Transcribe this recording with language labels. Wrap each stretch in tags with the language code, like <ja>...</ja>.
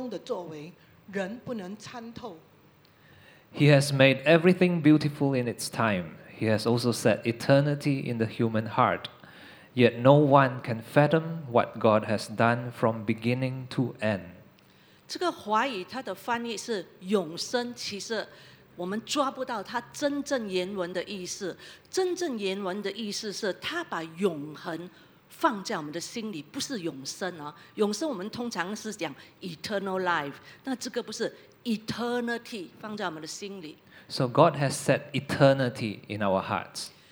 <zh>神造万物，各按其时成为美好，又将永生安置在世人心里。然而神从始至终的作为，人不能参透。</zh> <en>He has made everything beautiful in its time. He has also set eternity in the human heart. Yet no one can fathom what God has done from beginning to end.</en> <zh>这个华语它的翻译是永生，其实我们抓不到它真正原文的意思。真正原文的意思是它把永恒放在我们的心里，不是永生啊。永生我们通常是讲eternal life，那这个不是。 Eternity 放在我们的心里。</zh> <en>So God has set eternity in our hearts.</en>